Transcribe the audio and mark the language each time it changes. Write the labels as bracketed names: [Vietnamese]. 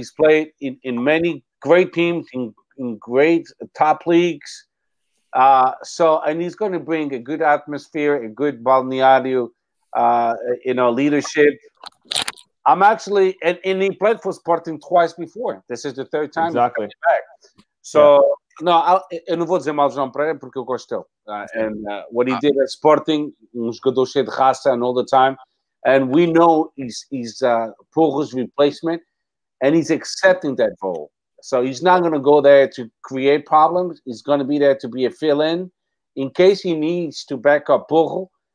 [English] He's played in many great teams in great top leagues, and he's going to bring a good atmosphere, a good balneario, leadership. I'm actually and he played for Sporting twice before. This is the third time. Exactly. He's coming back. So. Yeah. [Portuguese] No, eu não vou dizer mal de João Pereira porque eu gosto dele. [English] What he did at Sporting, [Portuguese] um jogador cheio de raça [English] and all the time. And we know he's Porro's replacement and he's accepting that role. So he's not going to go there to create problems. He's going to be there to be a fill-in in case he needs to back up Porro.